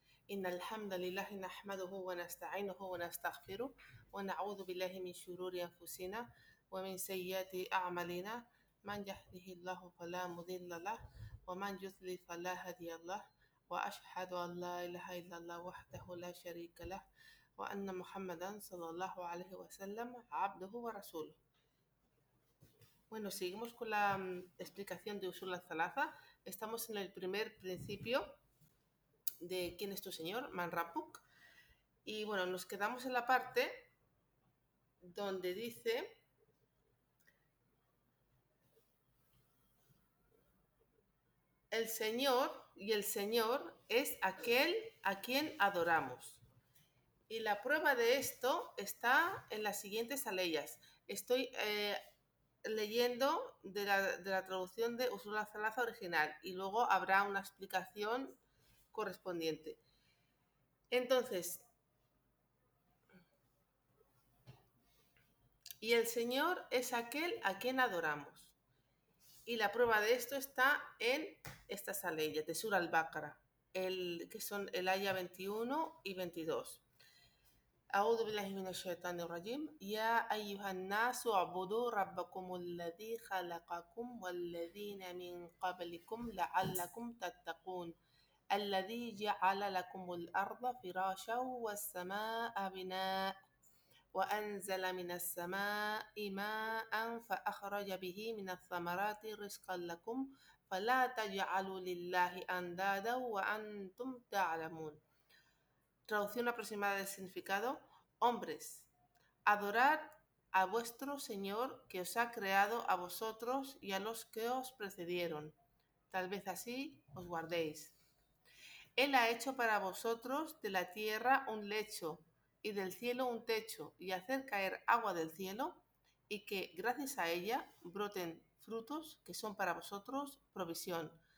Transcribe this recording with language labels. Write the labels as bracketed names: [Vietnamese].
[Arabic] إن الحمد لله نحمده ونستعينه ونستغفره ونعوذ بالله من شرور أنفسنا ومن سيئات أعمالنا، من يهده الله فلا مضل له ومن يضلل فلا هادي له، وأشهد أن لا إله إلا الله وحده لا شريك له وأن محمدا صلى الله عليه وسلم عبده ورسوله. [Spanish] Bueno, seguimos con la explicación de Usul al-Thalatha. Estamos en el primer principio de quién es tu señor, Manrapuk. Y bueno, nos quedamos en la parte donde dice el señor, y el señor es aquel a quien adoramos. Y la prueba de esto está en las siguientes aleyas. Estoy leyendo de la traducción de Usul al-Thalatha original, y luego habrá una explicación correspondiente. Entonces, y el Señor es aquel a quien adoramos, y la prueba de esto está en estas aleyas de Sura al-Baqara, que son el aya 21 y 22. [Arabic] أعوذ بالله من الشيطان الرجيم يا أيها الناس اعبدوا ربكم الذي خلقكم والذين من قبلكم لعلكم تتقون الذي جعل لكم الأرض فراشا والسماء بناء وأنزل من السماء ماء فأخرج به من الثمرات رزقا لكم فلا تجعلوا لله أندادا وأنتم تعلمون. [Spanish] Traducción aproximada del significado: hombres, adorad a vuestro Señor que os ha creado a vosotros y a los que os precedieron. Tal vez así os guardéis. Él ha hecho para vosotros de la tierra un lecho y del cielo un techo, y hacer caer agua del cielo y que gracias a ella broten frutos que son para vosotros provisión.